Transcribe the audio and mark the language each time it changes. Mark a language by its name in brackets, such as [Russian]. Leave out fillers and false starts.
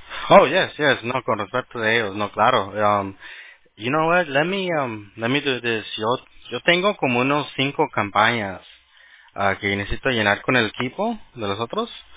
[Spanish] Oh, yes, no, con respecto de ellos, no, claro. [English] You know what, let me do this. [Spanish] Yo tengo como unos 5 campañas que necesito llenar con el equipo de los otros.